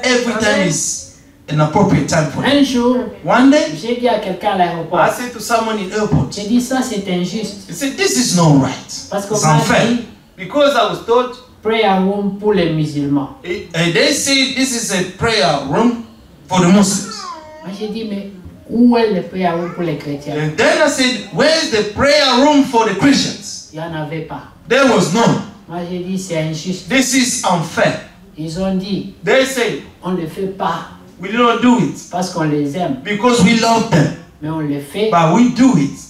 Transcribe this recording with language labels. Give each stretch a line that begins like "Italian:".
English: Every time is an appropriate time for.
French: Un jour,
English: one day,
French: j'ai dit à quelqu'un à l'aéroport.
English: I said to someone in the airport.
French: J'ai dit ça c'est injuste.
English: He said this is not right.
French: Parce que
English: it's unfair. Because I was told, prayer room
French: pour les musulmans.
English: And they say this is a prayer room for the Muslims.
French: Moi j'ai dit mais où est le
English: prayer room
French: pour les chrétiens?
English: And then I said, where is the prayer room for the Christians?
French: Il y en avait pas.
English: There was none.
French: Moi j'ai dit c'est injuste.
English: This is unfair.
French: Ils ont dit.
English: They say
French: on ne le fait pas.
English: We do not do it.
French: Parce qu'on les aime.
English: Because we love them.
French: Mais on le fait.
English: But we do it.